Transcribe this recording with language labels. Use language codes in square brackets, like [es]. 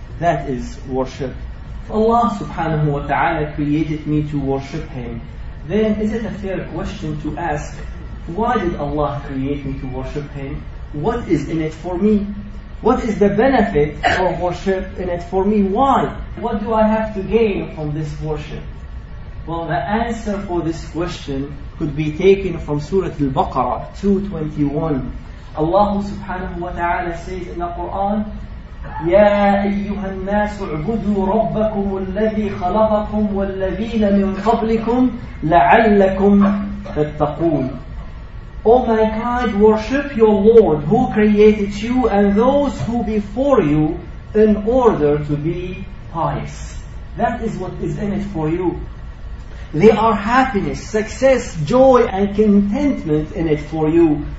[en] That is worship. If Allah [ar] subhanahu wa ta'ala [en] created me to worship Him, then is it a fair question to ask, why did Allah create me to worship Him? What is in it for me? What is the benefit for worship in it for me? Why? What do I have to gain from this worship? Well, the answer for this question could be taken from Surah Al-Baqarah 221. [ar] Allah subhanahu wa ta'ala [en] says in the Quran, [ar] يا أيها الناس اعبدوا ربكم الذي خلقكم والذين من قبلكم لعلكم تتقون. [en] O mankind, worship your Lord who created you and those who before you in order to be pious. That is what is in it for you. They are happiness, success, joy, and contentment in it for you.